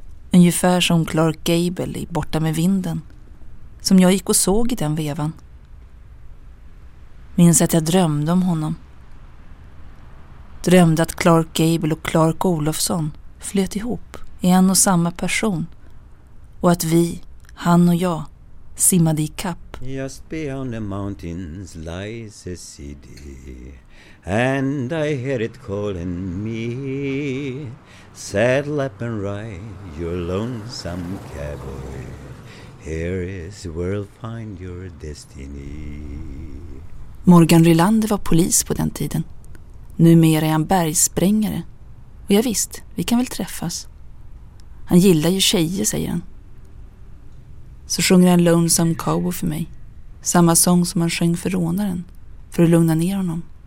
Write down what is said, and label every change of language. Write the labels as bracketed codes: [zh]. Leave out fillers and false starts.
[sv] Ungefär som Clark Gable i Borta med vinden. Som jag gick och såg i den vevan. Minns att jag drömde om honom. Drömde att Clark Gable och Clark Olofsson flöt ihop i en och samma person. Och att vi, han och jag, simmade i kapp. [en] Just beyond the mountains lies a city. And I hear it calling me. Saddle up and ride your lonesome cowboy. Here is where you'll find your destiny. [sv] Morgan Rylander var polis på den tiden. Numera är han bergsprängare. Och ja visst, vi kan väl träffas. Han gillar ju tjejer, säger han. Så sjunger han Lonesome Cowboy för mig. Samma sång som han sjöng för rånaren. För att lugna ner honom.